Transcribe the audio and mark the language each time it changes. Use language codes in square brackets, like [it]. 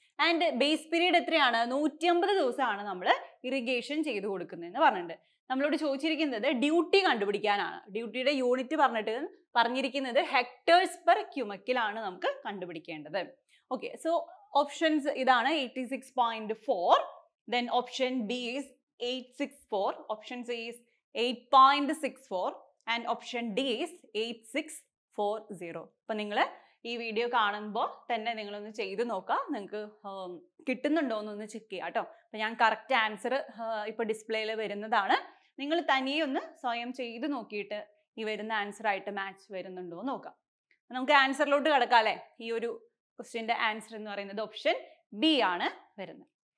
[ml] And base period എത്രയാണ്? 150 ദിവസമാണ് നമ്മൾ ഇറിഗേഷൻ ചെയ്ത് കൊടുക്കുന്നതെന്ന് പറഞ്ഞിട്ടുണ്ട്. നമ്മളോട് ചോദിച്ചിരിക്കുന്നത് ഡ്യൂട്ടി കണ്ടുപിടിക്കാനാണ്. ഡ്യൂട്ടിയുടെ യൂണിറ്റ് പറഞ്ഞിരിക്കുന്നത് ഹെക്ടേഴ്സ് പെർ ക്യുമക്കിലാണ് നമുക്ക് കണ്ടുപിടിക്കേണ്ടത്. [en] Okay, so options ഇതാണ്, 86.4. Then option B is 864, option C is 8.64 and option D is 8640. [ml] അപ്പോൾ നിങ്ങൾ ഈ വീഡിയോ കാണുമ്പോൾ തന്നെ നിങ്ങളൊന്ന് ചെയ്ത് നോക്കുക, നിങ്ങൾക്ക് കിട്ടുന്നുണ്ടോ എന്നൊന്ന് ചെക്ക് ചെയ്യുക കേട്ടോ. അപ്പോൾ ഞാൻ കറക്റ്റ് ആൻസർ ഇപ്പോൾ ഡിസ്പ്ലേയിൽ വരുന്നതാണ്, നിങ്ങൾ തനിയെ ഒന്ന് സ്വയം ചെയ്ത് നോക്കിയിട്ട് ഈ വരുന്ന ആൻസറായിട്ട് മാച്ച് വരുന്നുണ്ടോ എന്ന് നോക്കാം. അപ്പോൾ നമുക്ക് ആൻസറിലോട്ട് കടക്കാം അല്ലേ. ഈ ഒരു ക്വസ്റ്റ്യൻ്റെ ആൻസർ എന്ന് പറയുന്നത് ഓപ്ഷൻ ബി ആണ് വരുന്നത്.